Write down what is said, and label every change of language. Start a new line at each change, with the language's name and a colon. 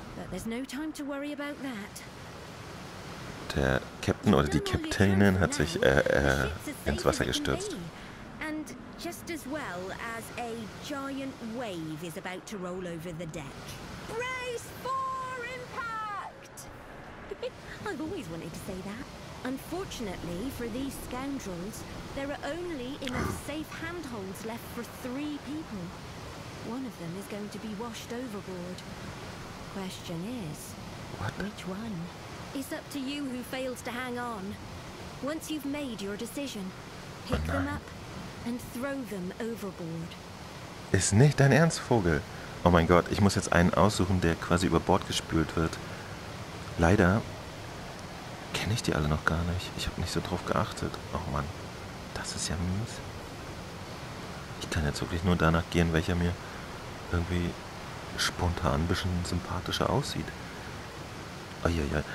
English: But there's no time to worry about that.
German: Der Captain oder die Kapitänin hat sich ins Wasser gestürzt.
English: And just as well as a giant wave is about to roll over the deck. Brace for impact! I've always wanted to say that. Unfortunately for these scoundrels, there are only enough safe handholds left for three people. One of them is going to be washed overboard. Question is, which one? It's up to you who fails to hang on. Once you've made your decision, pick them up and throw them overboard.
German: Ist nicht dein Ernst, Vogel? Oh mein Gott, ich muss jetzt einen aussuchen, der quasi über Bord gespült wird. Leider kenne ich die alle noch gar nicht. Ich habe nicht so drauf geachtet. Oh Mann, das ist ja mies. Ich kann jetzt wirklich nur danach gehen, welcher mir irgendwie spontan ein bisschen sympathischer aussieht. Uiuiui.